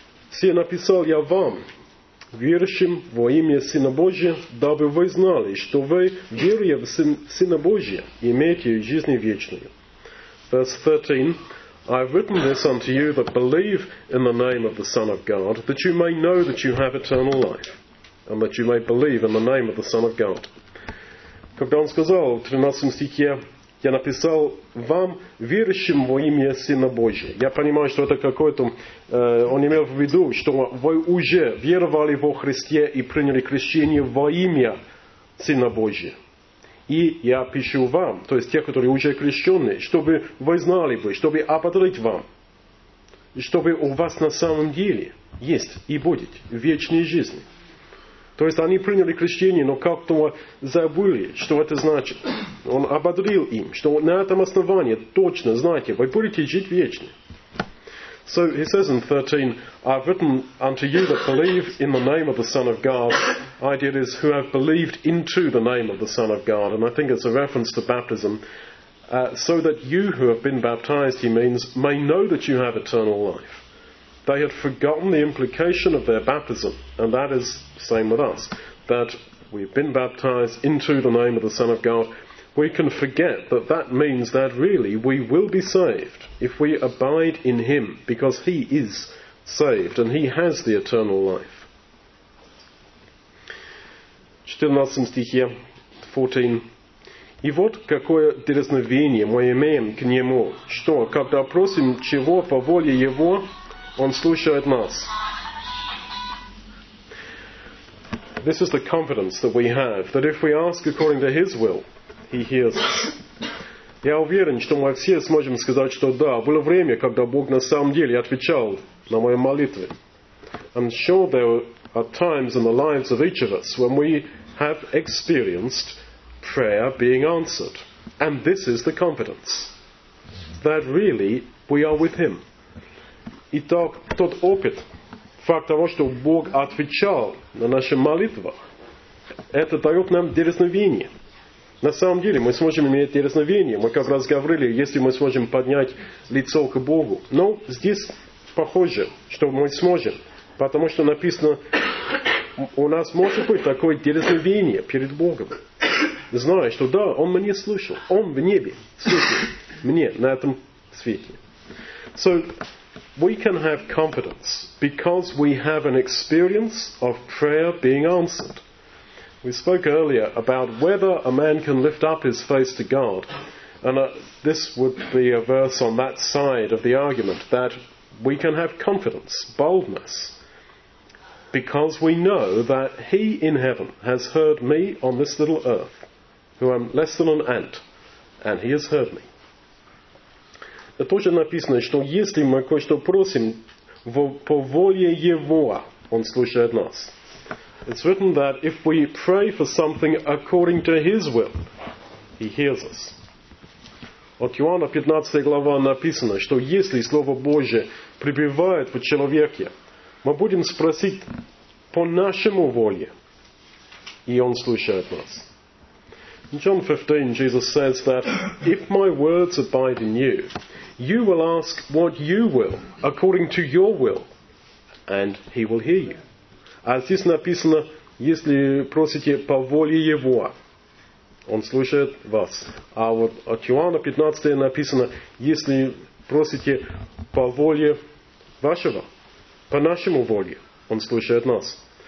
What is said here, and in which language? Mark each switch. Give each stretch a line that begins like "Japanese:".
Russian: «Все написал я вам, верующим во имя Сына Божия, дабы вы знали, что вы, веруя в Сына Божия, имеете жизнь вечную».
English: Verse 13. I have written this unto you that believe in the name of the Son of God, that you may know that you have eternal life, and that you may believe in the name of the Son of God.
Russian: Когда он сказал в 13 стихе, я написал вам, верующим во имя Сына Божия. Я понимаю, что это какой-то... он имел в виду, что вы уже веровали во Христе и приняли крещение во имя Сына Божия. И я пишу вам, то есть те, которые уже крещены, чтобы вы знали бы, чтобы ободрить вам, чтобы у вас на самом деле есть и будет вечная жизнь. То есть они приняли крещение, но как-то забыли, что это значит. Он ободрил им, что на этом основании точно знаете, вы будете жить вечно.
English: So he says in 13, I have written unto you that believe in the name of the Son of God. Idea is who have believed into the name of the Son of God. And I think it's a reference to baptism. So that you who have been baptized, he means, may know that you have eternal life. They had forgotten the implication of their baptism. And that is same with us. That we have been baptized into the name of the Son of God. We can forget that that means that really we will be saved if we abide in him, because he is saved and he has the eternal life.
Russian: 14 стих, 14. И вот какое дерзновение мы имеем к нему, что, когда просим чего по воле его, он слушает нас.
English: This is the confidence that we have, that if we ask according to his will, he hears.
Russian: Я уверен, что мы все сможем сказать, что да, было время, когда Бог на самом деле отвечал на мои молитвы.
English: I'm sure there are times in the lives of each of us when we have experienced prayer being answered. And this is the confidence that really we are with him.
Russian: Итак, тот опыт, факт того, что Бог отвечал на наши молитвы, это дает нам дерзновение. На самом деле мы сможем иметь дерзновение. Мы как раз говорили, если мы сможем поднять лицо к Богу. Но здесь похоже, что мы сможем. Потому что написано, у нас может быть такое дерзновение перед Богом. Зная, что да, он мне слышал. Он в небе слышал мне на этом свете.
English: So, we can have confidence because we have an experience of prayer being answered. We spoke earlier about whether a man can lift up his face to God. And this would be a verse on that side of the argument, that we can have confidence, boldness, because we know that he in heaven has heard me on this little earth, who am less than an ant, and he has heard me.
Russian: Это тоже написано, что если мы кое-что просим по воле его, он слушает нас.
English: It's written that if we pray for something according to his will, he hears us.
Russian: От Иоанна 15 глава написано, что если Слово Божие пребывает в человеке, мы будем спросить по нашему воле, и он слушает нас.
English: In John 15, Jesus says that if my words abide in you, you will ask what you will, according to your will, and he will hear you.
Russian: А здесь написано, если просите по воле Его, он слушает вас. А вот от Иоанна 15 написано, если просите по воле вашего, по нашему воле, он слушает нас.